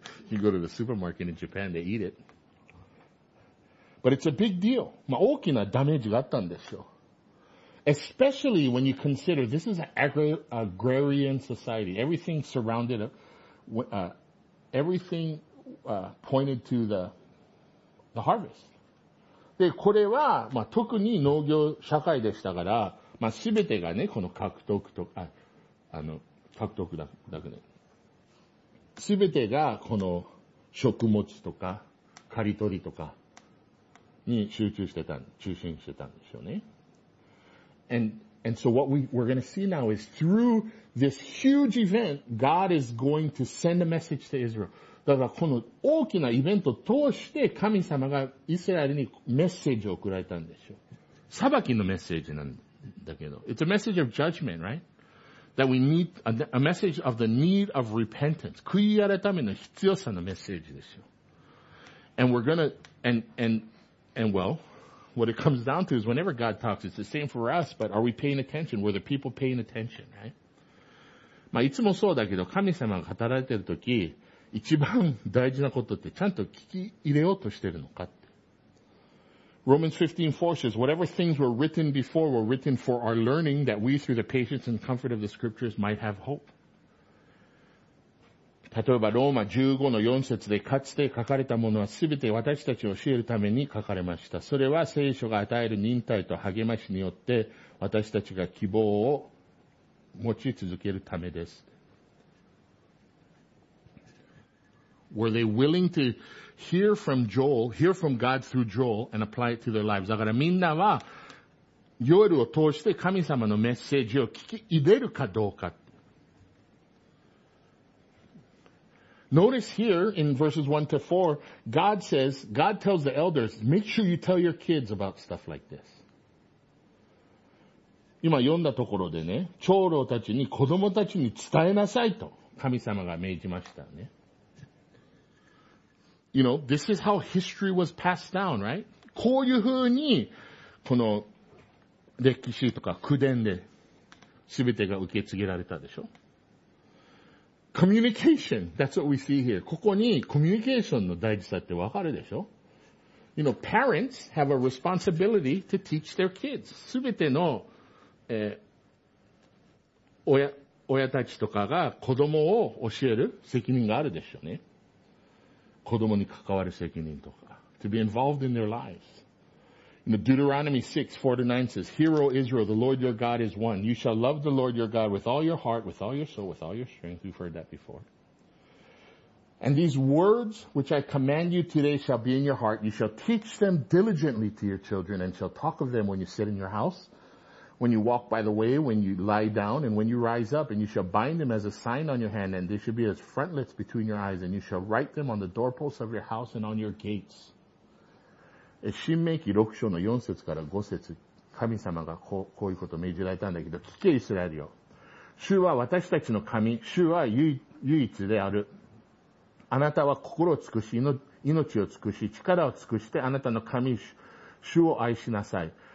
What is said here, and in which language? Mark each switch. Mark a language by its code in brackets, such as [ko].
[en] You go to the supermarket in Japan, they eat it. But it's a big deal. [ja] まあ大きなダメージがあったんですよ。 [en] Especially when you consider this is an agrarian society. Everything surrounded, everything pointed to the harvest. [ja] で、これは、まあ、特に農業社会でしたから、まあ、すべてがね、この獲得とか、獲得だけね。すべてが、この、食物とか、刈り取りとか、に集中してた、中心してたんですよね。 [en] And so what we're gonna see now is through this huge event, God is going to send a message to Israel. [ja] だからこの大きなイベントを通して神様がイスラエルにメッセージを送られたんですよ。裁きのメッセージなんだけど。 [en] It's a message of judgment, right? That we need, a message of the need of repentance. [ja] 悔い改めの必要さのメッセージですよ。 [en] And we're gonna, and well, what it comes down to is whenever God talks, it's the same for us, but are we paying attention? Were the people paying attention, right? [ja] まあいつもそうだけど神様が語られてるとき、一番大事なことってちゃんと聞き入れようとしてるのかって。 [en] Romans 15:4 says, whatever things were written before were written for our learning that we through the patience and comfort of the scriptures might have hope. [ja] 例えばローマ 15:4 節でかつて書かれたものはすべて私たちを教えるために書かれました。それは聖書が与える忍耐と励ましによって私たちが希望を持ち続けるためです。 [en] Were they willing to hear from Joel, hear from God through Joel and apply it to their lives? [ja] だからみんなは、ヨエルを通して神様のメッセージを聞き入れるかどうか。 [en] Notice here in verses 1 to 4, God says, God tells the elders, make sure you tell your kids about stuff like this. [ja] 今読んだところでね、長老たちに子供たちに伝えなさいと神様が命じましたね。 [en] You know, this is how history was passed down, right? [ja] こういうふうに、この歴史とか口伝で全てが受け継げられたでしょ? [en] Communication, that's what we see here. [ja] ここにコミュニケーションの大事さってわかるでしょ? [en] You know, parents have a responsibility to teach their kids. [ja] 全ての、親たちとかが子供を教える責任があるでしょうね。子供に関わる責任とか。 [en] To be involved in their lives. You know, Deuteronomy 6:4-9 says, Hear, O Israel, the Lord your God is one. You shall love the Lord your God with all your heart, with all your soul, with all your strength. We've heard that before. And these words which I command you today shall be in your heart. You shall teach them diligently to your children and shall talk of them when you sit in your house, when you walk by the way, when you lie down, and when you rise up, and you shall bind them as a sign on your hand, and they shall be as frontlets between your eyes, and you shall write them on the doorposts of your house and on your gates. [ja] 新明記6章の4節から5節、神様がこういうことを命じられたんだけど、聞けイスラエルよ。主は私たちの神、主は唯一である。あなたは心を尽くし、命を尽くし、力を尽くして、あなたの神、主を愛しなさい。